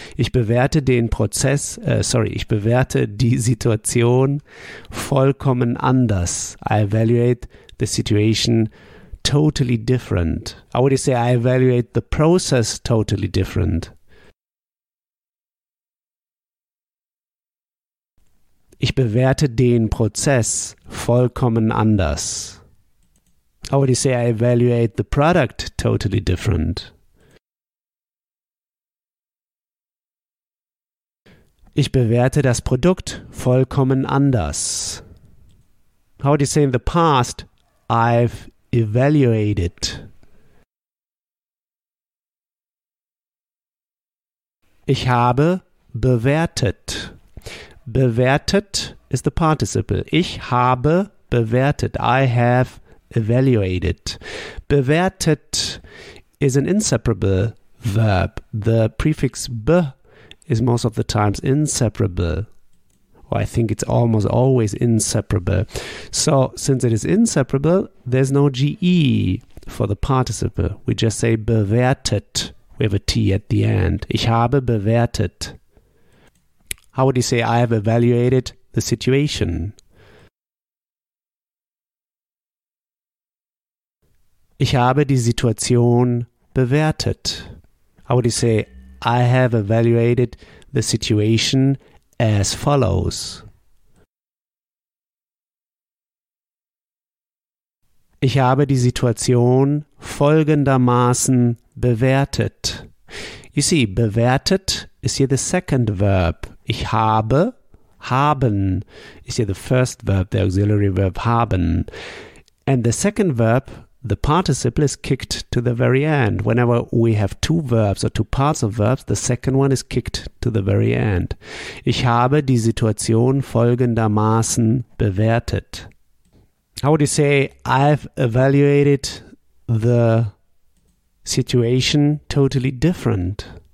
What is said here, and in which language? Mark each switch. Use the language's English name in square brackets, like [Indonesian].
[German] Ich bewerte den Prozess, ich bewerte die Situation vollkommen anders. [English] I evaluate the situation totally different. I would say I evaluate the process totally different. [German] Ich bewerte den Prozess vollkommen anders. [English] How would you say I evaluate the product totally different? [German] Ich bewerte das Produkt vollkommen anders. [English] How would you say in the past I've evaluated? [German] Ich habe bewertet. [English] Bewertet is the participle. [German] Ich habe bewertet. [English] I have evaluated. Bewertet is an inseparable verb. The prefix be is most of the times inseparable. Well, I think it's almost always inseparable. So since it is inseparable, there's no GE for the participle. We just say bewertet. We have a T at the end. [German] Ich habe bewertet. [English] How would you say I have evaluated the situation? [German] Ich habe die Situation bewertet. [English] How would you say, I have evaluated the situation as follows. [German] Ich habe die Situation folgendermaßen bewertet. [English] You see, bewertet is here the second verb. Ich habe, haben, is here the first verb, the auxiliary verb haben. And the second verb, the participle is kicked to the very end. Whenever we have two verbs or two parts of verbs, the second one is kicked to the very end. [German] Ich habe die Situation folgendermaßen bewertet. [English] How would you say, I've evaluated the situation totally different?